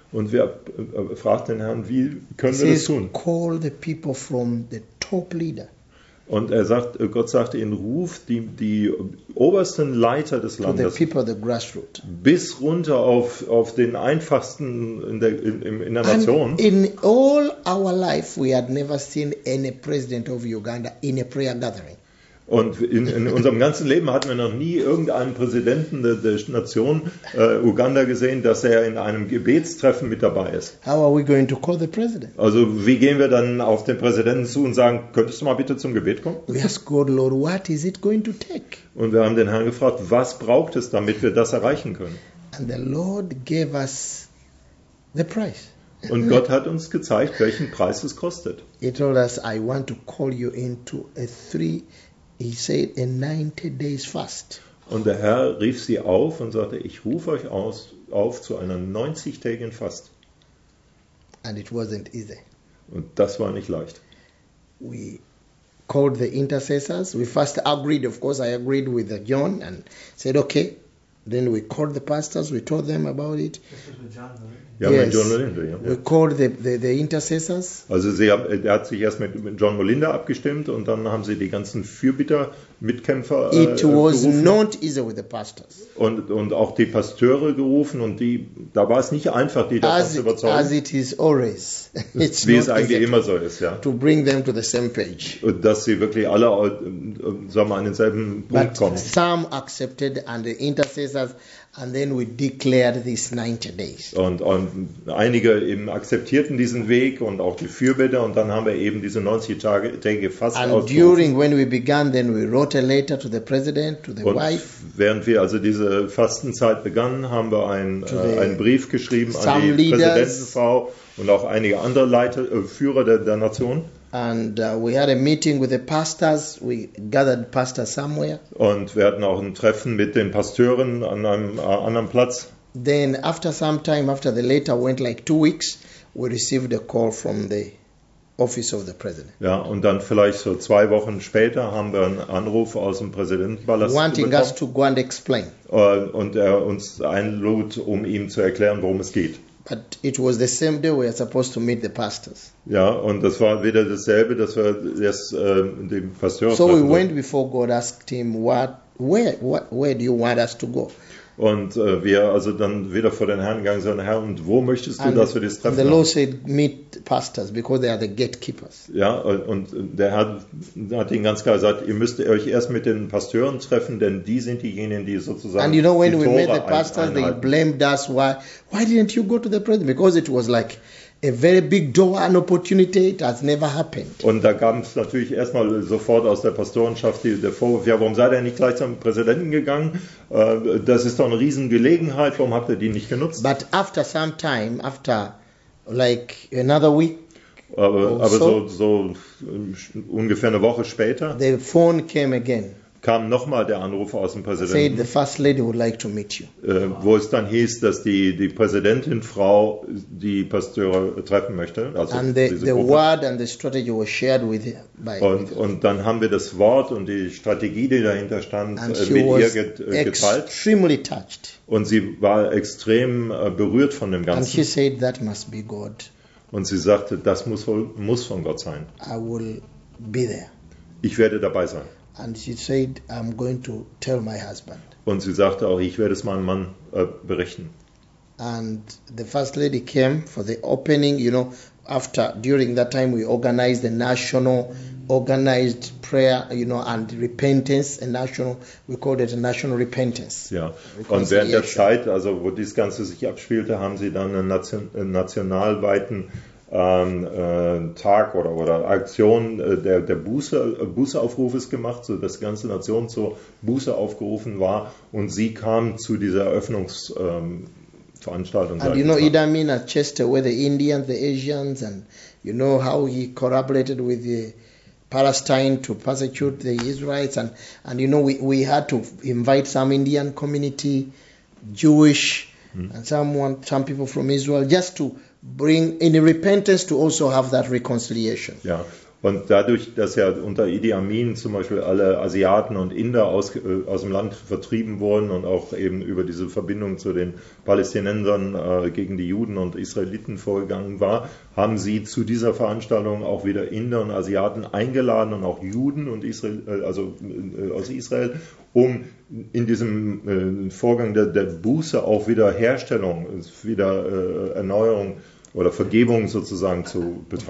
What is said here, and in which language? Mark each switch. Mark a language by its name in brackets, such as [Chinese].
[German] Und wir fragten den Herrn, wie können wir das tun? [English] Call the people from the top leader. [German] Und er sagt, Gott sagte ihnen, ruf die obersten Leiter des Landes, [English] the people, the grassroots, [German] bis runter auf den einfachsten in der Nation. [English] And in all our life we had never seen any president of Uganda in a prayer gathering. [German] Und in unserem ganzen Leben hatten wir noch nie irgendeinen Präsidenten der Nation Uganda gesehen, dass er in einem Gebetstreffen mit dabei ist. [English] How are we going to call the president? [German] Also wie gehen wir dann auf den Präsidenten zu und sagen, könntest du mal bitte zum Gebet kommen? [English] We ask God, Lord, what is it going to take? [German] Und wir haben den Herrn gefragt, was braucht es, damit wir das erreichen können? [English] And the Lord gave us the price. [German] Und Gott hat uns gezeigt, welchen Preis es kostet. [English] He told us, I want to call you into a three, he said, a 90 days fast. [German] Und der Herr rief sie auf und sagte, ich rufe euch auf zu einer 90-tägigen Fast. [English] And it wasn't easy. [German] Und das war nicht leicht. [English] We called the intercessors. We first agreed, of course, I agreed with John and said, okay. Then we called the pastors, we told them about it. John Melinda. We called the intercessors. [German] Also er hat sich erst mit John Melinda abgestimmt und dann haben sie die ganzen Fürbitter, Mitkämpfer [English] it was [German] gerufen. [English] Not easy with the pastors. [German] Und auch die Pasteure gerufen und die, da war es nicht einfach, die davon zu überzeugen. [English] As it is always. It's [German] wie es eigentlich immer so ist, ja. [English] To bring them to the same page. [German] Und dass sie wirklich alle, sagen wir, an denselben Punkt [English] But [German] kommen. [English] Some accepted and the intercessors. And then we declared these 90 days. [German] Und einige eben akzeptierten diesen Weg und auch die Fürbitte und dann haben wir eben diese 90-tägige Fasten ausgerufen. [English] And during when we began, then we wrote a letter to the president, to the [German] und [English] wife. [German] Während wir also diese Fastenzeit begannen, haben wir einen Brief geschrieben an die Präsidentenfrau und auch einige andere Führer der Nation. [English] And we had a meeting with the pastors. We gathered pastors somewhere. [German] Und wir hatten auch ein Treffen mit den Pasteuren an einem anderen Platz. [English] Then after some time, after the letter went like 2 weeks, we received a call from the office of the president. [German] Ja, und dann vielleicht so 2 Wochen später haben wir einen Anruf aus dem Präsidentenpalast bekommen. [English] Wanting us to go and explain. [German] Und er uns einlud, um ihm zu erklären, worum es geht. [English] But it was the same day we are supposed to meet the pastors. [German] Ja, und das war wieder dasselbe, dass wir erst den Pasteur [English] so we went before God asked him where do you want us to go? [German] Und wir also dann wieder vor den Herrn gegangen sind, Herr, und wo möchtest du, dass wir das treffen? [English] And the Lord said meet pastors because they are the gatekeepers. [German] Ja, und der Herr hat ihnen ganz klar gesagt, ihr müsst euch erst mit den Pastoren treffen, denn die sind diejenigen, die sozusagen [English] And you know when we met the pastors, they blamed us why didn't you go to the president? Because it was like a very big door, an opportunity, it has never happened. [German] Und da gab es natürlich erstmal sofort aus der Pastorenschaft der Vorwurf, ja, warum seid ihr nicht gleich zum Präsidenten gegangen? Das ist doch eine Riesengelegenheit, warum habt ihr die nicht genutzt? [English] But after some time, after like another week, [German] aber so ungefähr eine Woche später, [English] the phone came again. [German] Kam nochmal der Anruf aus dem Präsidenten, [English] said the first lady would like to meet you. [German] Wo es dann hieß, dass die Präsidentin-Frau die Pasteure treffen möchte. Also [English] and the word and the strategy were shared with her. [German] Und dann haben wir das Wort und die Strategie, die dahinter stand, mit ihr geteilt. [English] Extremely touched. [German] Und sie war extrem berührt von dem Ganzen. [English] And she said, that must be God. [German] Und sie sagte, das muss von Gott sein. [English] I will be there. [German] Ich werde dabei sein. [English] And she said, I'm going to tell my husband. [German] Und sie sagte auch, ich werde es meinem Mann berichten. [English] And the first lady came for the opening, you know, after, during that time we organized the national organized prayer, you know, and repentance, a national, we called it a national repentance. [German] Ja, und während der Zeit, also wo das Ganze sich abspielte, haben sie dann einen nationalweiten Tag oder Aktion der Bußeaufrufes gemacht, sodass die ganze Nation zur Buße aufgerufen war und sie kam zu dieser Eröffnungsveranstaltung. [English] And you know Idi Amin at Chester, where the Indians, the Asians, and you know how he collaborated with the Palestine to persecute the Israelites, and you know we had to invite some Indian community, Jewish, and some people from Israel, just to bring in a repentance to also have that reconciliation. [German] Ja, und dadurch, dass ja unter Idi Amin zum Beispiel alle Asiaten und Inder aus dem Land vertrieben wurden und auch eben über diese Verbindung zu den Palästinensern gegen die Juden und Israeliten vorgegangen war, haben sie zu dieser Veranstaltung auch wieder Inder und Asiaten eingeladen und auch Juden und aus Israel, um in diesem Vorgang der Buße auch wieder Herstellung, wieder Erneuerung oder Vergebung sozusagen zu betreiben.